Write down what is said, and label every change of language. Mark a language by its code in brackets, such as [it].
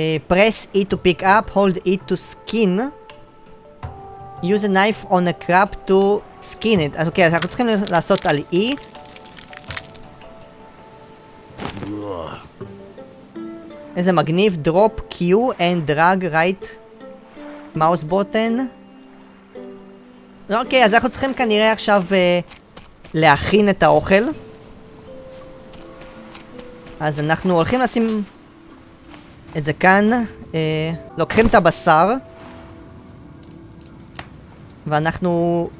[en] Press E to pick up, hold E to skin. Use a knife on a crab to skin it. [he] אז אוקיי, אז אנחנו צריכים לעשות על E. איזה מגניב, [en] drop Q and drag right mouse button. [he] אוקיי, אז אנחנו צריכים כנראה עכשיו להכין את האוכל. אז אנחנו הולכים לשים... את זה כאן, לוקחים את הבשר ואנחנו...